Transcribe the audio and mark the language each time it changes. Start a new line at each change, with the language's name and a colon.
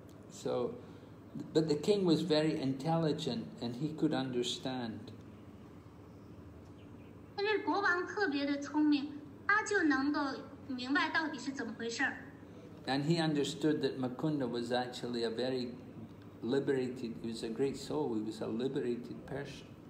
English: So, but the king was very intelligent and he could understand.
Chinese: 但是国王特别的聪明, 他就能够明白到底是怎么回事。
English: And he understood that Mukunda was actually a very liberated, he was a great soul, he was a liberated person.